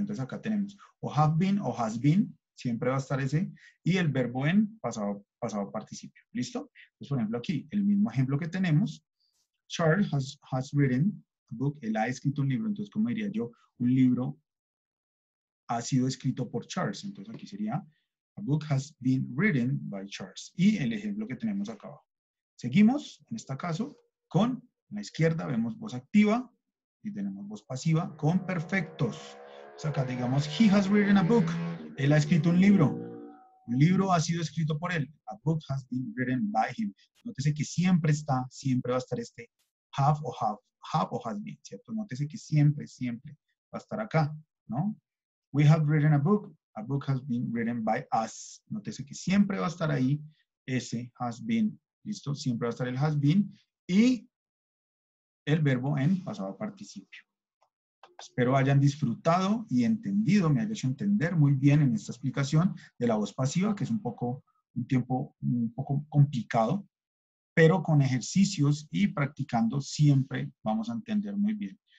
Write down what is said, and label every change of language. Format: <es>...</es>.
<es>Entonces, acá tenemos o have been o has been, siempre va a estar ese, y el verbo en pasado participio. ¿Listo? Entonces, por ejemplo, aquí, el mismo ejemplo que tenemos,</es> <en>Charles has written a book,</en> <es>él ha escrito un libro, entonces, ¿cómo diría yo? Un libro ha sido escrito por Charles.</es> <en>Entonces, aquí sería, a book has been written by Charles.</en> <es>Y el ejemplo que tenemos acá abajo. Seguimos, en este caso, con la izquierda, vemos voz activa, y tenemos voz pasiva con perfectos.</es> <en>O sea, acá digamos, he has written a book.</en> <es>Él ha escrito un libro. Un libro ha sido escrito por él.</es> <en>A book has been written by him.</en> <es>Nótese que siempre va a estar este have o have. Have o has been, ¿cierto? Nótese que siempre va a estar acá, ¿no?</es> <en>We have written a book. A book has been written by us.</en> <es>Nótese que siempre va a estar ahí ese has been. ¿Listo? Siempre va a estar el has been. Y el verbo en pasado participio. Espero hayan disfrutado y entendido, me hayas hecho entender muy bien en esta explicación de la voz pasiva, que es un poco, un tiempo un poco complicado, pero con ejercicios y practicando siempre vamos a entender muy bien.</es>